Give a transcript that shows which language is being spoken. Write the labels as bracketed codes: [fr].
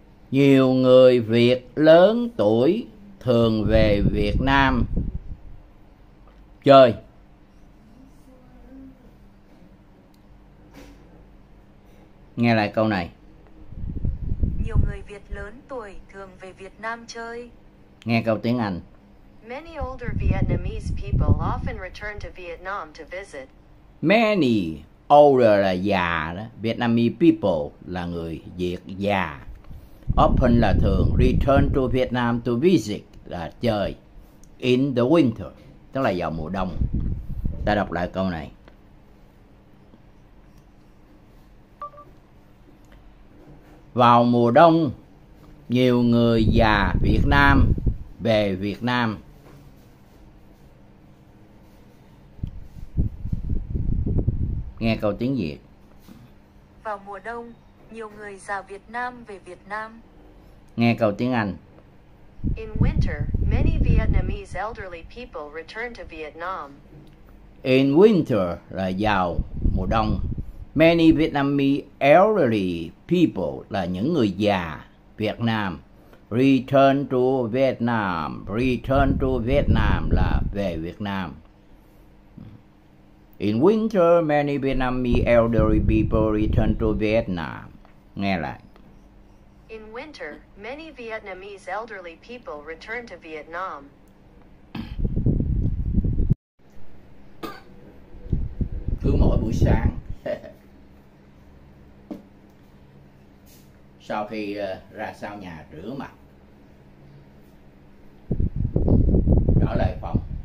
[vi] Nhiều người Việt lớn tuổi thường về Việt Nam chơi. Nghe lại câu này. Nhiều người Việt lớn tuổi thường về Việt Nam chơi. Nghe câu tiếng Anh. [en] Many older Vietnamese people often return to Vietnam to visit. Many older [vi] là già đó. [en] Vietnamese people [vi] là người Việt già. [en] Often [vi] là thường, [en] return to Vietnam to visit [vi] là chơi. [en] In the winter, [vi] tức là vào mùa đông. Ta đọc lại câu này. Vào mùa đông, nhiều người già Việt Nam về Việt Nam. Nghe câu tiếng Việt. Vào mùa đông, nhiều người già Việt Nam về Việt Nam. Nghe câu tiếng Anh. [en] In winter, many Vietnamese elderly people return to Vietnam. In winter [vi] là vào mùa đông. [en] Many Vietnamese elderly people [vi] là những người già Việt Nam. [en] Return to Vietnam. Return to Vietnam [vi] là về Việt Nam. [en] In winter, many Vietnamese elderly people return to Vietnam. [vi] Nghe lại. [en] In winter, many Vietnamese elderly people return to Vietnam. [vi] Cứ mỗi buổi sáng, sau khi ra sau nhà rửa mặt, trở lại phòng,